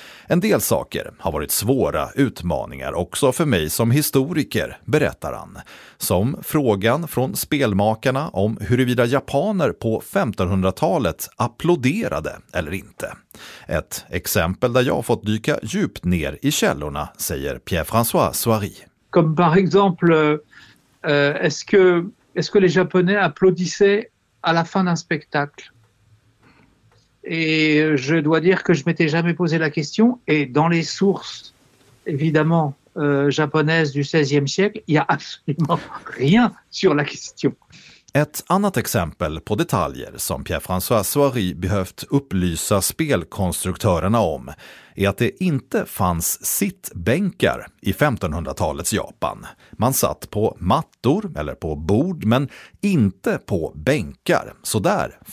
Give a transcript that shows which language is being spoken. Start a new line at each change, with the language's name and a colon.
Swedish: En del saker har varit svåra utmaningar också för mig som historiker, berättar han. Som frågan från spelmakarna om huruvida japaner på 1500-talet applåderade eller inte. Ett exempel där jag fått dyka djupt ner i källorna, säger Pierre-François Soary.
French: Comme par exemple, est-ce que les japonais applaudissaient à la fin d'un spectacle? Et je dois dire que je m'étais jamais posé la question. Et dans les sources, évidemment, japonaises du XVIe siècle, il y a absolument rien sur la question.
Swedish: Ett annat exempel på detaljer som Pierre-François Soary behövt upplysa spelkonstruktörerna om är att det inte fanns sittbänkar i 1500-talets Japan. Man satt på mattor eller på bord, men inte på bänkar. Så där fick